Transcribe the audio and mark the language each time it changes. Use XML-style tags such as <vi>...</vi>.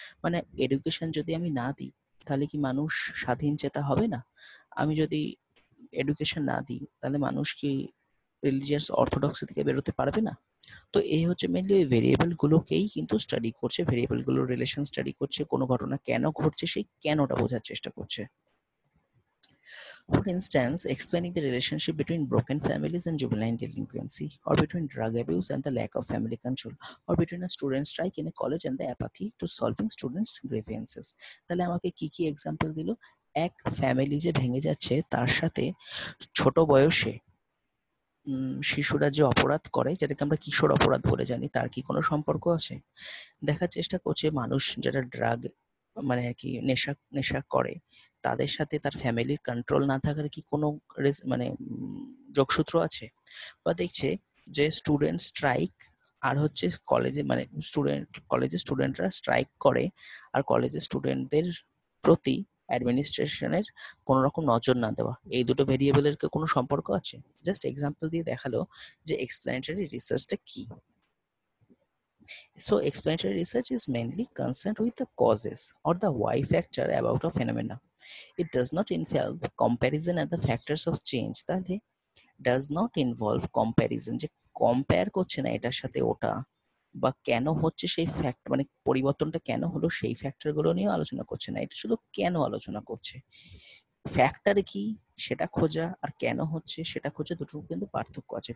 <bn>মানে এডুকেশন যদি আমি না দিই তাহলে কি মানুষ স্বাধীন চেতা হবে না? আমি যদি এডুকেশন না দিই তাহলে মানুষ কি রিলিজিয়াস অর্থোডক্সি থেকে বেরোতে পারবে না? তো এই হচ্ছে মেনলি ওই ভেরিয়েবলগুলোকেই কিন্তু স্টাডি করছে, ভেরিয়েবলগুলোর রিলেশন স্টাডি করছে, কোনো ঘটনা কেন ঘটছে সেই কেনটা বোঝার চেষ্টা করছে।</bn> <en>For instance, explaining the relationship between broken families and juvenile delinquency, or between drug abuse and the lack of family control, or between a student strike in a college and the apathy to solving students' grievances.</en> <bn>তাহলে আমাকে কি কি example দিল? এক family যে ভেঙে যাচ্ছে, তার সাথে ছোট বয়সে শিশুরা যে অপরাধ করে, যেটাকে আমরা কিশোর অপরাধ বলে জানি, তার কি কোনো সম্পর্ক আছে? দেখার চেষ্টা করছে মানুষ যারা ড্রাগ মানে আর কি নেশা নেশা করে, তাদের সাথে তার ফ্যামিলির কন্ট্রোল না থাকার কি কোনো মানে যোগসূত্র আছে? বা দেখছে যে স্টুডেন্ট স্ট্রাইক আর হচ্ছে কলেজে, মানে স্টুডেন্ট কলেজে স্টুডেন্টরা স্ট্রাইক করে আর কলেজে স্টুডেন্টদের প্রতি অ্যাডমিনিস্ট্রেশনের কোনো রকম নজর না দেওয়া, এই দুটো ভেরিয়েবলের কি কোনো সম্পর্ক আছে? জাস্ট এক্সাম্পল দিয়ে দেখালো যে এক্সপ্লেনেটরি রিসার্চটা কি।</bn> <en>So explanatory research is mainly concerned with the causes or the why factor about a phenomena. It does not involve comparison at the factors of change.</en> <bn>তাহলে</bn> <en>does not involve comparison,</en> <bn>যে compare করছে না এটার সাথে ওটা, বা কেন হচ্ছে সেই ফ্যাক্ট মানে পরিবর্তনটা কেন হলো সেই ফ্যাক্টর গুলো নিয়ে আলোচনা করছে না, এটা শুধু কেন আলোচনা করছে। ফ্যাক্টর কি সেটা খোঁজা আর কেন হচ্ছে সেটা খোঁজা, দুটোর কিন্তু পার্থক্য আছে।</bn>